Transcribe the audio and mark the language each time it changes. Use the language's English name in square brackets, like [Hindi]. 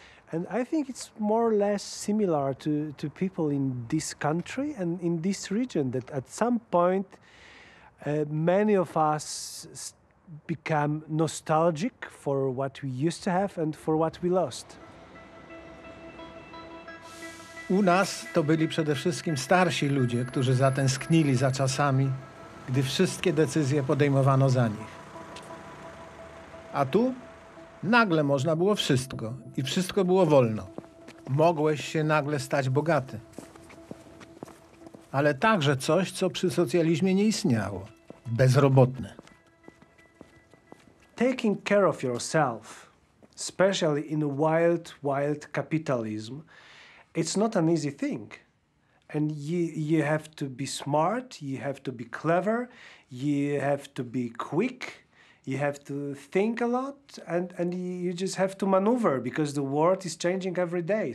[English] And I think it's more or less similar to people in this country and in this region, that at some point, many of us become nostalgic for what we used to have and for what we lost. [Polish] U nas to byli przede wszystkim starsi ludzie, którzy zatęsknili za czasami, gdy wszystkie decyzje podejmowano za nich. A tu nagle można było wszystko i wszystko było wolno. Mogłeś się nagle stać bogaty. Ale także coś, co przy socjalizmie nie istniało. Bezrobotne. [English] Taking care of yourself, especially in wild, wild capitalism, it's not an easy thing. And you have to be smart, you have to be clever, you have to be quick, you have to think a lot, and you just have to maneuver because the world is changing every day.